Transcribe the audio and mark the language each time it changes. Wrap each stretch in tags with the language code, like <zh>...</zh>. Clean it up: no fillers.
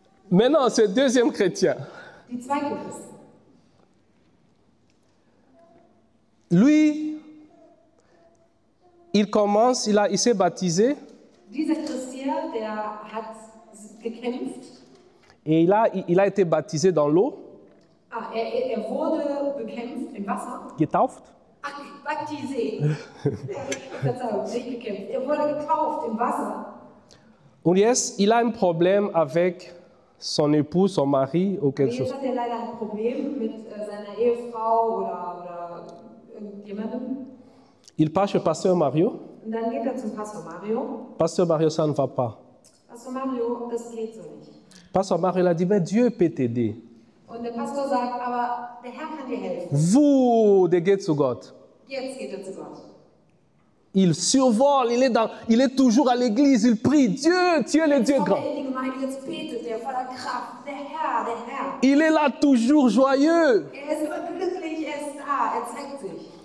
<fr>Maintenant, ce deuxième chrétien.</fr> <de>Die zweite Christen.</de> <fr>Lui. Il commence, il s'est baptisé.</fr> <de>Dieser Christ hier, der hat gekämpft.</de> <fr>Et il a été baptisé dans l'eau.</fr> <de>Ah, er wurde bekämpft im Wasser. Getauft. Ach, baptisé. Nicht gekämpft. Er wurde getauft im Wasser. Und jetzt,</de> <fr>il a un problème avec son époux, son mari, ou quelque chose.</fr> <de>Jetzt hat er leider ein Problem mit seiner Ehefrau oder irgendjemandem.</de> <fr>Il passe chez Pasteur Mario.</fr> <de>Dann geht zum Pasteur Mario.</de> <fr>Pasteur Mario, ça ne va pas.</fr> <de>Pasteur Mario, das geht so nicht.</de> <fr>Pasteur Mario, il a dit, mais Dieu peut t'aider.</fr> <de>Und der Pastor sagt, aber der Herr kann dir helfen. Der geht zu Gott. Jetzt geht zu Gott.</de> <fr>Il survole, il est toujours à l'église, il prie, Dieu, tu es le Dieu grand.</fr> <de>Jetzt betet er voller Kraft, der Herr.</de> <fr>Il est là toujours joyeux.</fr> <de>Er ist immer glücklich, er ist da, er zeigt sich.</de>